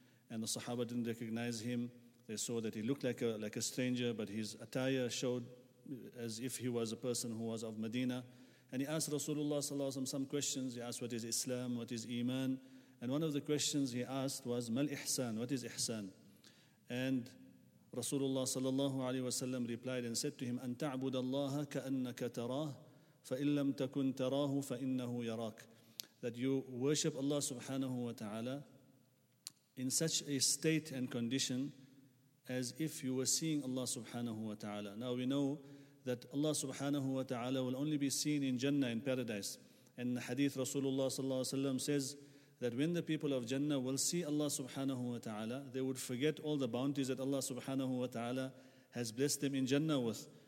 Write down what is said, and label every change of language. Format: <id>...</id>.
<en>And the Sahaba didn't recognize him. They saw that he looked like a stranger, but his attire showed as if he was a person who was of Medina. And he asked Rasulullah sallallahu alaihi wasallam some questions. He asked, what is Islam? What is Iman? And one of the questions he asked was, Mal Ihsan? What is Ihsan?</en> <ar>And Rasulullah sallallahu alaihi wasallam replied and said to him, أن تعبد الله كأنك تراه فإن لم تكن تراه فإنه يراك.</ar> <en>That you worship Allah subhanahu wa ta'ala in such a state and condition as if you were seeing Allah subhanahu wa ta'ala. Now we know that Allah subhanahu wa ta'ala will only be seen in Jannah, in paradise. And the hadith Rasulullah sallallahu alayhi wa sallam says that when the people of Jannah will see Allah subhanahu wa ta'ala, they would forget all the bounties that Allah subhanahu wa ta'ala has blessed them in Jannah with.</en>